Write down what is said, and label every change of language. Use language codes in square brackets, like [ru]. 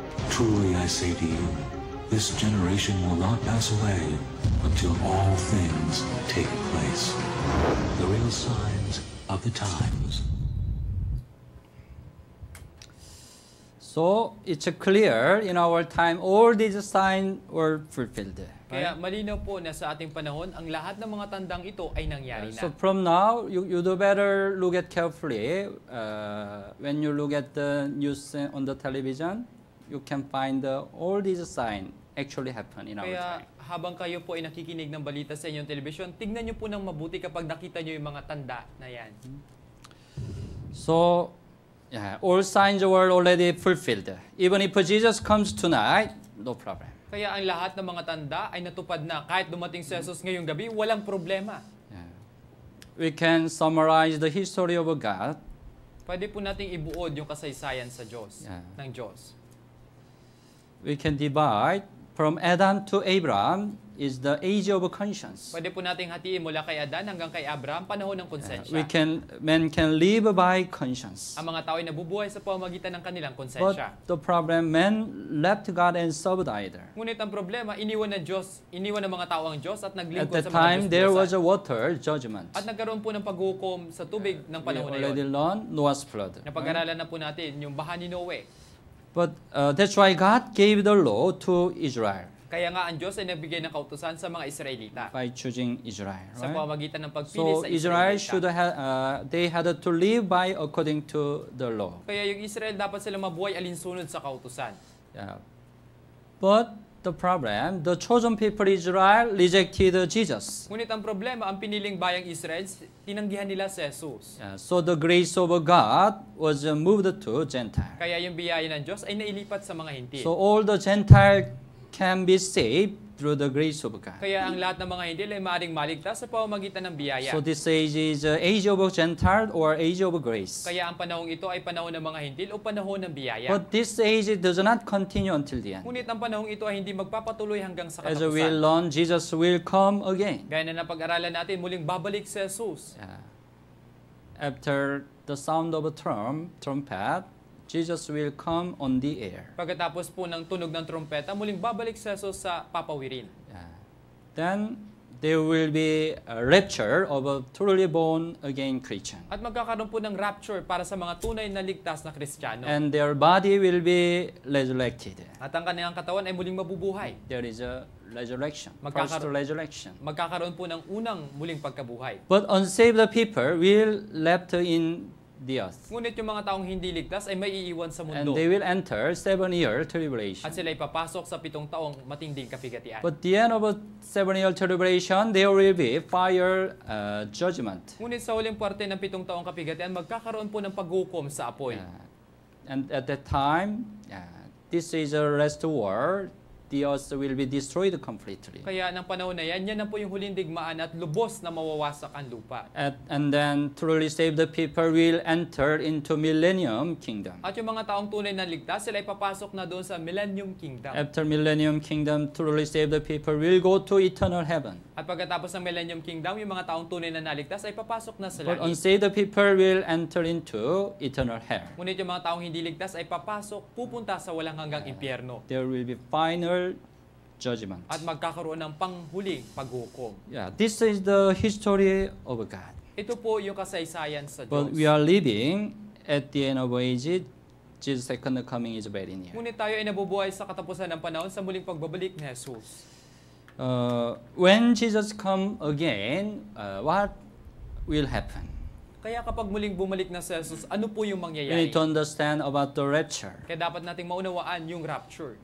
[en] Truly I say to you, this generation will not pass away until all things take place. The real signs of the times. So it's clear in our time all these signs were fulfilled. [tl] Kaya malinaw po na sa ating panahon, ang lahat ng mga tandang ito ay nangyari na. [en] So from now, you do better look at carefully. When you look at the news on the television, you can find all these signs actually happen in our [tl] kaya, [en] time. [tl] Kaya habang kayo po ay nakikinig ng balita sa inyong television, tingnan nyo po ng mabuti kapag nakita nyo yung mga tanda na yan. [en] So, yeah, all signs were already fulfilled. Even if Jesus comes tonight, no problem. [tl] Kaya ang lahat ng mga tanda ay natupad na. Kahit dumating si Jesus ngayong gabi, walang problema. [en] Yeah. We can summarize the history of God. [tl] Pwede po nating ibuod yung kasaysayan sa Diyos, yeah, ng Diyos. [en] We can divide from Adam to Abraham is the age of conscience. [tl] Pwede po nating hatiin mula kay Adan hanggang kay Abraham, panahon ng konsensya. [en] Yeah. Men can live by conscience. [tl] Ang mga tao ay nabubuhay sa pamamagitan ng kanilang konsensya. [en] But the problem, men left God and served either. [tl] Ngunit ang problema, iniwan ng Diyos, iniwan ng mga tao ang Diyos at naglingkod sa mga Diyos. [en] At the time, there was a water judgment. [tl] At nagkaroon po ng paghukom sa tubig ng panahon na yun. [en] We already learned Noah's flood. [tl] Napag-aralan na po natin yung baha ni Noe. [en] But that's why God gave the law to Israel. [tl] Kaya nga ang Diyos ay nagbigay ng kautusan sa mga Israelita. [en] By choosing Israel, right? [tl] Sa pamamagitan ng pagpili [en] so [tl] sa Israelita. [en] So Israel should they had to live by according to the law. [tl] Kaya yung Israel dapat sila mabuhay alinsunod sa kautusan. [en] Yeah. But the problem, the chosen people Israel rejected Jesus. [tl] Ngunit ang problema, ang piniling bayang Israel, tinanggihan nila si Jesus. [en] Yeah, so the grace of God was moved to Gentile. [tl] Kaya yung biyaya ng Diyos ay nailipat sa mga hindi. [en] So all the Gentile can be saved through the grace of God. [tl] Kaya ang lahat ng mga hindi ay maaaring maligtas sa pamamagitan ng biyaya. [en] So this age is age of Gentile or age of grace. [tl] Kaya ang panahon ito ay panahon ng mga hindi o panahon ng biyaya. [en] But this age does not continue until the end. [tl] Ngunit ang panahon ito ay hindi magpapatuloy hanggang sa katapusan. [en] As we learn, Jesus will come again. [tl] Gaya na napag-aralan natin, muling babalik si Jesus. [en] Yeah. After the sound of a trumpet, Jesus will come on the air. [tl] Pagkatapos po ng tunog ng trompeta, muling babalik si Jesus sa papawirin. [en] Yeah. Then there will be a rapture of a truly born again Christian. [tl] At magkakaroon po ng rapture para sa mga tunay na ligtas na Kristiyano. [en] And their body will be resurrected. [tl] At ang kanilang katawan ay muling mabubuhay. [en] There is a resurrection. First resurrection. [tl] Magkakaroon po ng unang muling pagkabuhay. [en] But unsaved people will left in the earth. [tl] Ngunit yung mga taong hindi ligtas ay maiiwan sa mundo. [en] And they will enter 7-year tribulation. [tl] At sila ay papasok sa 7 taong matinding kapighatian. [en] But the end of a 7-year tribulation, there will be fire judgment. [tl] Ngunit sa huling parte ng 7 taong kapighatian, magkakaroon po ng paghukom sa apoy. [en] And at that time, this is a rest war. The earth will be destroyed completely. [tl] Kaya nang panahon na yan, yan na po yung huling digmaan at lubos na mawawasak ang lupa. [en] And then truly saved the people will enter into millennium kingdom. [tl] At yung mga taong tunay na ligtas, sila ay papasok na doon sa millennium kingdom. [en] After millennium kingdom, truly saved the people will go to eternal heaven. [tl] At pagkatapos ng millennium kingdom, yung mga taong tunay na naligtas ay papasok na sa langit. [en] But unsaved the people will enter into eternal hell. [tl] Ngunit yung mga taong hindi ligtas ay papasok, pupunta sa walang hanggang impyerno. [en] There will be final judgment. [tl] At magkakaroon ng panghuling paghukom. [en] Yeah, this is the history of God. [tl] Ito po yung kasaysayan sa Diyos. [en] But we are living at the end of age. Jesus' second coming is very near. [tl] Ngunit tayo ay nabubuhay sa katapusan ng panahon sa muling pagbabalik ni Jesus. [en] When Jesus come again, what will happen? [tl] Kaya kapag muling bumalik na si Jesus, ano po yung mangyayari? [en] We need to understand about the rapture. [tl] Kaya dapat nating maunawaan yung rapture.